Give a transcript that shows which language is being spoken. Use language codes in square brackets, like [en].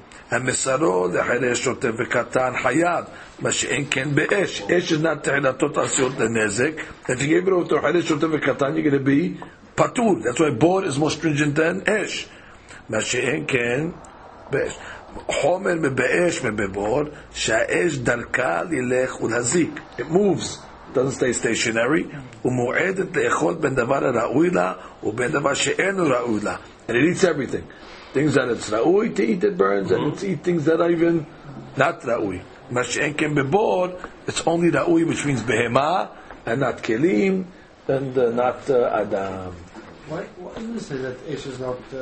[he] המסרו לחילי שוטה וקטן חייב, מה שאין כן באש. אש אינה תחילתו תעשיות לנזק. [en] If you give it to חילי שוטה וקטן, you're going to be פטור. That's why בור is more stringent than אש. [he] מה שאין כן באש. חומר מבאש מבבור, שהאש דרכה ללך ולהזיק. [en] It moves, doesn't stay stationary. [he] ומועדת לאכול בין דבר הראוי לה, ובין דבר שאינו ראוי לה. [en] And it eats everything. Things that it's ra'ui to eat that burns, mm-hmm. and it's eat things that are even not ra'ui. [he] Mashen ken bebor, [en] it's only ra'ui, which means behema, and not kelim, and not adam. Why do you say that ish is not